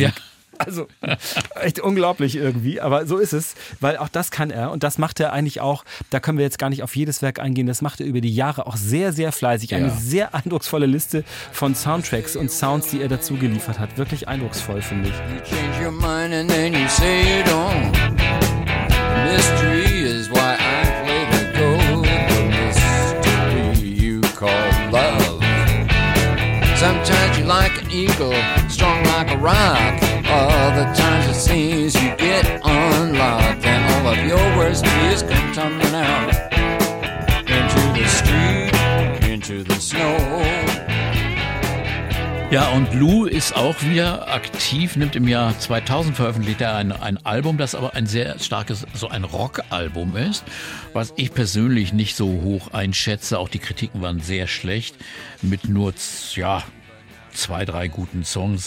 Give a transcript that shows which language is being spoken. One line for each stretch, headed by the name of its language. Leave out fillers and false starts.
German: Ja. Also echt unglaublich irgendwie, aber so ist es, weil auch das kann er und das macht er eigentlich auch, da können wir jetzt gar nicht auf jedes Werk eingehen, das macht er über die Jahre auch sehr, sehr fleißig. Eine sehr eindrucksvolle Liste von Soundtracks und Sounds, die er dazu geliefert hat. Wirklich eindrucksvoll, finde ich.
English: You change your mind and then you say you don't. Mystery is why I play the gold. The mystery you call love. Sometimes you like an eagle, strong like a rock. All the times it seems you get unlocked, and all of your worst fears come tumbling out into the street, into the snow.
German: Ja, und Lou ist auch wieder aktiv, nimmt im Jahr 2000 veröffentlicht er ein Album, das aber ein sehr starkes, so ein Rockalbum ist, was ich persönlich nicht so hoch einschätze. Auch die Kritiken waren sehr schlecht, mit nur, ja, zwei, drei guten Songs.